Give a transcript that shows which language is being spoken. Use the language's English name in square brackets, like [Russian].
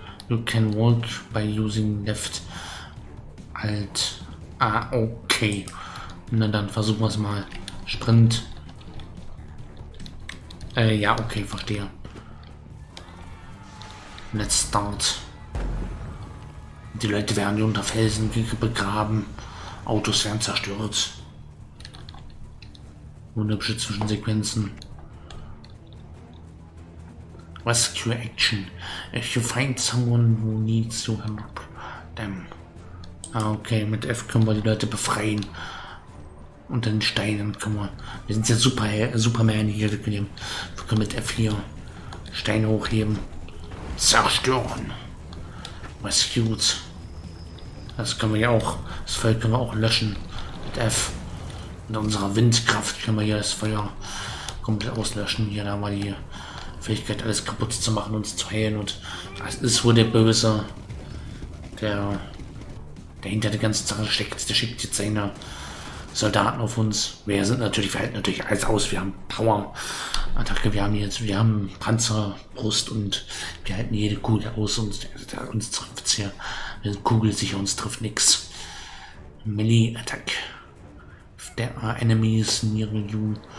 [English] You can walk by using left. Alt. Ah, okay. [German] Na dann versuchen wir es mal. Sprint. Ja, okay, verstehe. [English] Let's start. [German] Die Leute werden hier unter Felsen begraben. Autos werden zerstört. Wunderschöne Zwischensequenzen. [English] Rescue Action. If you find someone who needs to help them. [German] Okay, mit F können wir die Leute befreien. Und den Steinen können wir. Wir sind ja super, Superman hier. Wir können mit F hier Steine hochheben. Zerstören. Rescued. Das können wir ja auch. Das Feuer können wir auch löschen. Mit F. Mit unserer Windkraft können wir hier das Feuer komplett auslöschen. Hier, da haben wir die Fähigkeit, alles kaputt zu machen, uns zu heilen. Und das ist wohl der Böse. Der hinter der ganzen Sache steckt, der schickt jetzt seine Soldaten auf uns. Wir sind natürlich, wir halten natürlich alles aus. Wir haben Power-Attacke, wir haben jetzt, wir haben Panzer, Brust und wir halten jede Kugel aus und uns trifft es hier. Wir sind kugelsicher, uns trifft nichts. [English] Melee-Attack. There are enemies near you.